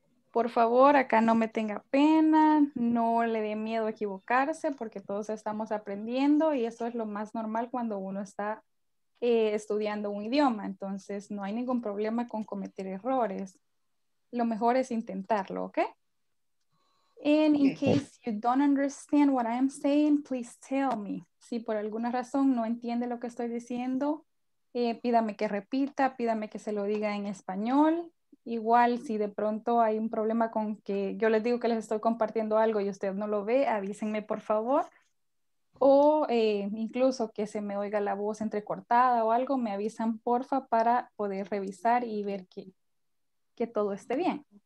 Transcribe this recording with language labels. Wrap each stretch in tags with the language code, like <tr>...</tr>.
<es>Por favor, acá no me tenga pena, no le dé miedo equivocarse porque todos estamos aprendiendo y eso es lo más normal cuando uno está estudiando un idioma, entonces no hay ningún problema con cometer errores. Lo mejor es intentarlo, ¿ok?</es> <en>And in case you don't understand what I am saying, please tell me.</en> <es>Si por alguna razón no entiende lo que estoy diciendo, pídame que repita, pídame que se lo diga en español Igual, si de pronto hay un problema con que yo les digo que les estoy compartiendo algo y usted no lo ve, avísenme por favor. O incluso que se me oiga la voz entrecortada o algo, me avisan porfa para poder revisar y ver que todo esté bien.</es>